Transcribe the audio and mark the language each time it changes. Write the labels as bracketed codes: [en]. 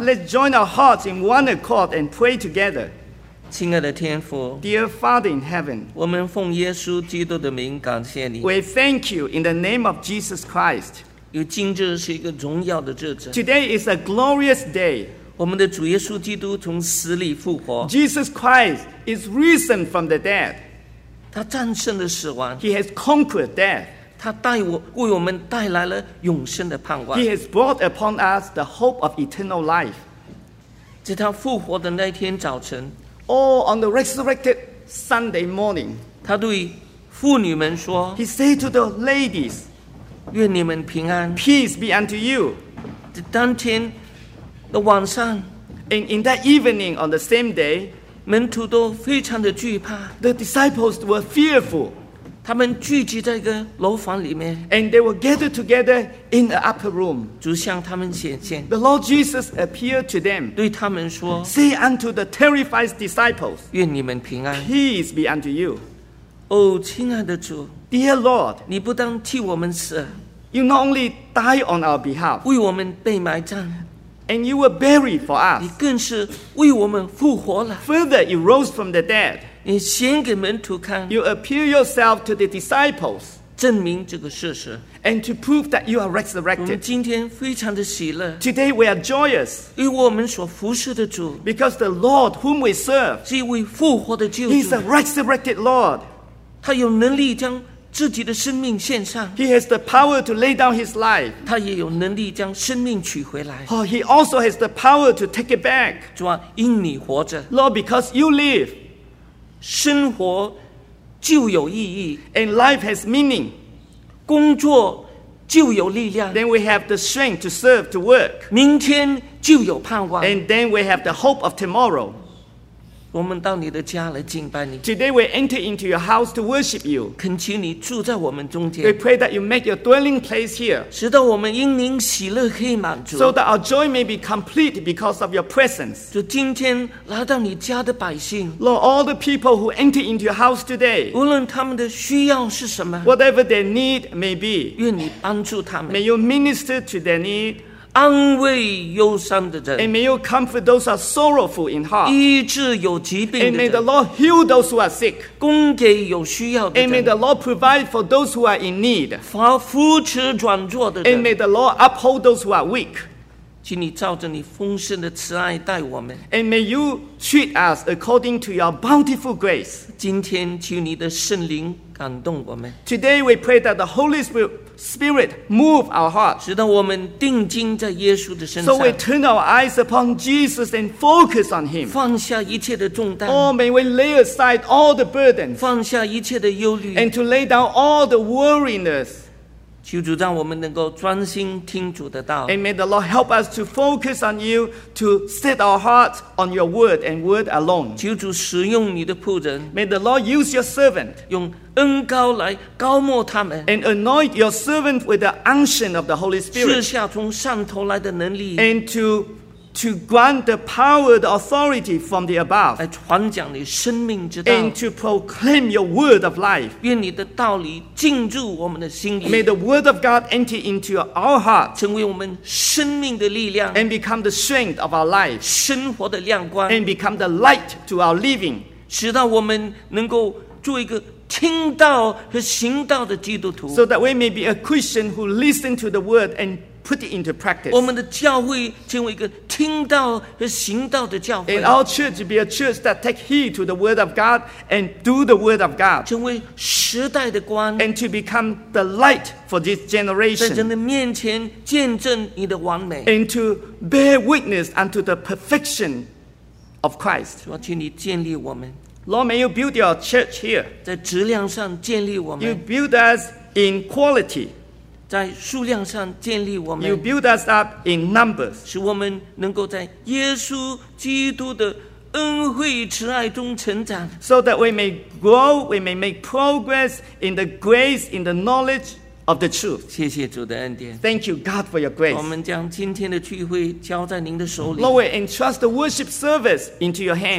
[en] Let's join our hearts in one accord and pray together. [zh] 亲爱的天父， [en] Dear Father in heaven, [zh] 我们奉耶稣基督的名感谢你。 [en] We thank you in the name of Jesus Christ. [zh] 因为今日是一个荣耀的日子。 [en] Today is a glorious day. [zh] 我们的主耶稣基督从死里复活。 [en] Jesus Christ is risen from the dead. [zh] 他战胜了死亡。 [en] He has conquered death. [zh] 他为我们带来了永生的盼望。 [en] He has brought upon us the hope of eternal life. [zh] 在他复活的那天早晨。 [en] Or on the resurrected Sunday morning. [zh] 他对妇女们说。 [en] He said to the ladies. [zh] 愿你们平安。 [en] Peace be unto you. [zh] 当天的晚上， [en] in that evening on the same day, [zh] 门徒都非常的惧怕。 [en] The disciples were fearful. [zh] 他们聚集在一个楼房里面。 [en] And they were gathered together in the upper room. [zh] 主向他们显现。 [en] The Lord Jesus appeared to them. [zh] 对他们说， [en] Say unto the terrified disciples, [zh] 愿你们平安。 [en] Peace be unto you. [zh] 哦，亲爱的主。 [en] Dear Lord, [zh] 你不但替我们死， [en] You not only die on our behalf, [zh] 为我们被埋葬。 [en] And you were buried for us. [zh] 你更是为我们复活了。 [en] Further, you rose from the dead. [zh] 你显给门徒看。 [en] You appear yourself to the disciples. [zh] 证明这个事实。 [en] And to prove that you are resurrected. [zh] 我们今天非常的喜乐。 [en] Today we are joyous. [zh] 因为我们所服侍的主。 [en] Because the Lord whom we serve. [zh] 是一位复活的救主。 [en] He is a resurrected Lord. [zh] 他有能力将自己的生命献上。 [en] He has the power to lay down his life. [zh] 他也有能力将生命取回来。 [en] Oh, he also has the power to take it back. [zh] 主啊，因你活着。 [en] Lord, because you live. [zh] 生活就有意义。 [en] And life has meaning. [zh] 工作就有力量。 [en] Then we have the strength to serve, to work. [zh] 明天就有盼望。 [en] And then we have the hope of tomorrow. [zh] 我们到你的家来敬拜你。 [en] Today we enter into your house to worship you. [zh] 恳求你住在我们中间。 [en] We pray that you make your dwelling place here. [zh] 使得我们因您喜乐可以满足。 [en] So that our joy may be complete because of your presence. [zh] 就今天来到你家的百姓。 [en] Lord, all the people who enter into your house today. [zh] 无论他们的需要是什么。 [en] Whatever their need may be. [zh] 愿你帮助他们。 [en] May you minister to their need. [zh] 安慰忧伤的人。 [en] And may you comfort those who are sorrowful in heart. [zh] 医治有疾病的人。 [en] And may the Lord heal those who are sick. [zh] 供给有需要的人。 [en] And may the Lord provide for those who are in need. [zh] 扶持软弱的人。 [en] And may the Lord uphold those who are weak. [zh] 请你照着你丰盛的慈爱待我们。 [en] And may you treat us according to your bountiful grace. [zh] 今天求你的圣灵感动我们。 [en] Today we pray that the Holy Spirit move our hearts. [zh] 使得我们定睛在耶稣的身上。 [en] So we turn our eyes upon Jesus and focus on him. [zh] 放下一切的重担。 [en] Oh, may we lay aside all the burdens. [zh] 放下一切的忧虑。 [en] And to lay down all the worriness. [zh] 求主让我们能够专心听主的道。 [en] And may the Lord help us to focus on you, to set our hearts on your word and word alone. [zh] 求主使用你的仆人。 [en] May the Lord use your servant. [zh] 用恩膏来膏抹他们。 [en] And anoint your servant with the unction of the Holy Spirit. [zh] 赐下从上头来的能力。 [en] And to grant the power, the authority from the above. [zh] 来传讲你生命之道。 [en] And to proclaim your word of life. [zh] 愿你的道理进入我们的心里。 [en] May the word of God enter into our heart. [zh] 成为我们生命的力量。 [en] And become the strength of our life. [zh] 生活的亮光。 [en] And become the light to our living. [zh] 使到我们能够做一个听道和行道的基督徒。 [en] So that we may be a Christian who listen to the word and put it into practice. [zh] 我们的教会成为一个听道和行道的教会。 [en] And our church be a church that take heed to the word of God and do the word of God. [zh] 成为时代的光。 [en] And to become the light for this generation. [zh] 在人的面前见证你的完美。 [en] And to bear witness unto the perfection of Christ. [zh] 主啊，请你建立我们。 [en] Lord, may you build your church here. [zh] 在质量上建立我们。 [en] You build us in quality. [zh] 在数量上建立我们。 [en] You build us up in numbers. [zh] 使我们能够在耶稣基督的恩惠慈爱中成长。 [en] So that we may grow, we may make progress in the grace, in the knowledge of the truth. [zh] 谢谢主的恩典。 [en] Thank you, God, for your grace. [zh] 我们将今天的聚会交在您的手里。 [en] Lord, entrust the worship service into your hand.